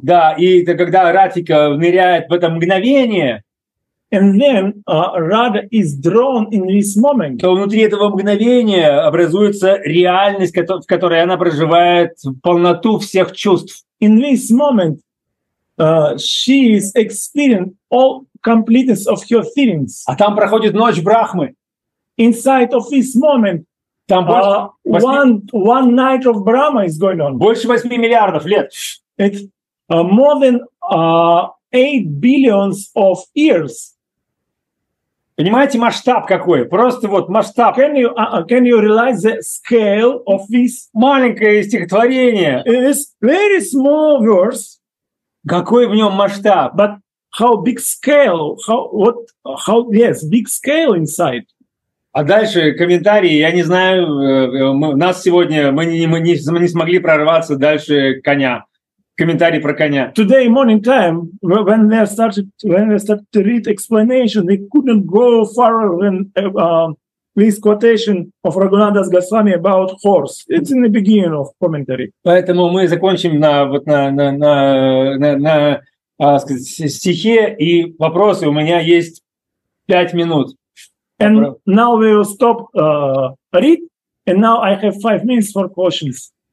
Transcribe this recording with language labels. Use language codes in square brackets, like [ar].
[ru] Да, и это когда Радхика ныряет в это мгновение. [en] And then Radha is drawn in this moment. [ru] То внутри этого мгновения образуется реальность, в которой она проживает полноту всех чувств. [en] In this moment, she is experiencing all completeness of her feelings. [ru] А там проходит ночь Брахмы. [en] Inside of this moment, [ru] там [en] one night of Brahma is going on. [ru] Больше 8 миллиардов лет. [en] It's more than 8 billions of years. [ru] Понимаете масштаб какой? Просто вот масштаб. [en] Can you realize the scale of this? [ru] Маленькое стихотворение. [en] It's very small verse. [ru] Какой в нем масштаб? [en] But how big scale? Yes, big scale inside. [ru] А дальше комментарии. Я не знаю. Мы не смогли прорваться дальше коня. Комментарий про коня. [en] Today morning time when they started to read explanation, they couldn't go farther than this quotation of Raghunandas Goswami about horse. It's in the beginning of commentary. [ru] Поэтому мы закончим на сказать, стихе, и вопросы у меня есть 5 минут. [en] And now we will stop read, and now I have 5 minutes for questions.